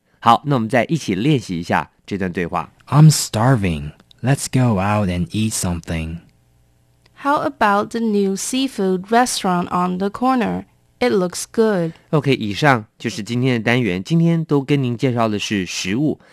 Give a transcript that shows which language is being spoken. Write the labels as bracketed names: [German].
[Chinese] 好那我们再一起练习一下这段对话。 [English] I'm starving. Let's go out and eat something. How about the new seafood restaurant on the corner? It looks good. [Chinese] OK, 以上就是今天的单元。今天都跟您介绍的是食物。